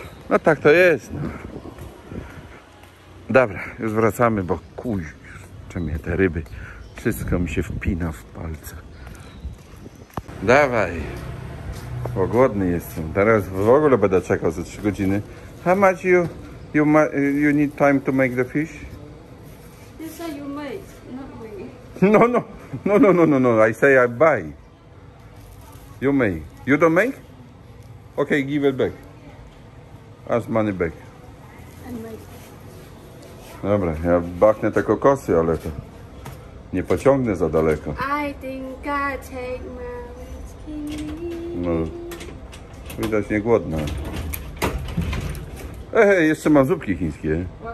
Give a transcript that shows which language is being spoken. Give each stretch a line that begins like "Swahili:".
Polish: No tak to jest. Dobra, już wracamy, bo kurczę mnie te ryby. Wszystko mi się wpina w palce. Dawaj. Bo głodny jestem. Teraz w ogóle będę czekał za 3 godziny.
English: How much you need time to make the fish? Yes, sir, you made, not me. No, I say I buy. You make. You don't make? Okay, give it back. Ask money back.
Polish: Dobra, ja bachnę te kokosy, ale to nie pociągnę za daleko.
English: I think I take my whiskey.
Polish: No, widać nie głodna. Ehe, jeszcze mam zupki chińskie.